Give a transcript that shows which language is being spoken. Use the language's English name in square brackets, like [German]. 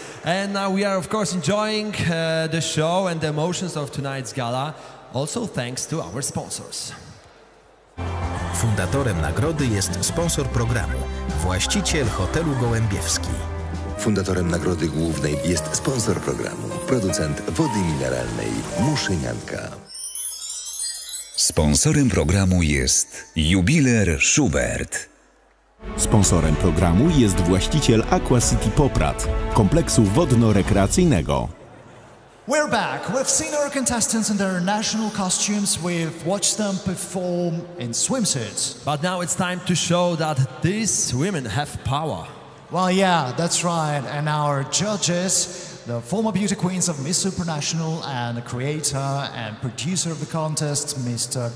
[English] And now we are, of course, enjoying the show and the emotions of tonight's gala. Also thanks to our sponsors. [Polish] Fundatorem nagrody jest sponsor programu, właściciel hotelu Gołębiewski. Fundatorem nagrody głównej jest sponsor programu, producent wody mineralnej Muszynianka. Sponsorem programu jest jubiler Schubert. Sponsorem programu jest właściciel Aqua City Poprad, kompleksu wodno-rekreacyjnego. [English] We're back. We've seen our contestants in their national costumes. We've watched them perform in swimsuits. But now it's time to show that these women have power. Well, yeah, that's right. And our judges, the former beauty queens of Miss Supernational and the creator and producer of the contest, Mr.